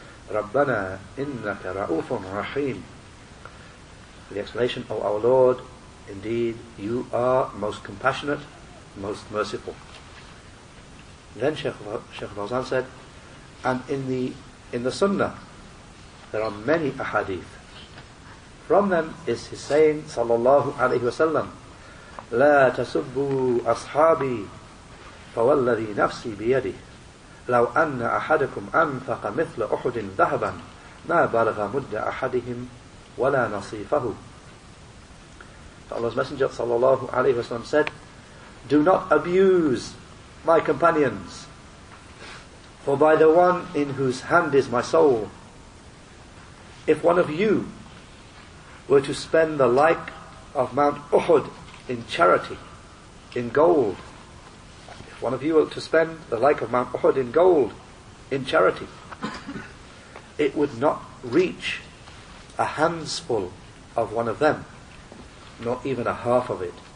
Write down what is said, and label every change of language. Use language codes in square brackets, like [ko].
[ar] Rabbana innaka ra'ufun rahim. [en] The explanation, O our Lord, indeed you are most compassionate, most merciful. Then Shaykh Fawzan said, and in the Sunnah there are many ahadith. From them is his saying, sallallahu alaihi wasallam, [ar] لا تسبوا أصحابي فوالذي نفسي بيده لو أن أحدكم أنفق مثل أحد ذهبا ما بلغ مد أحدهم ولا نصيفه. [en] Allah's Messenger sallallahu alaihi wasallam said, do not abuse my companions, for by the one in whose hand is my soul, if one of you were to spend the like of Mount Uhud in charity, in gold, if one of you were to spend the like of Mount Uhud in gold, in charity, it would not reach a handful of one of them, not even a half of it.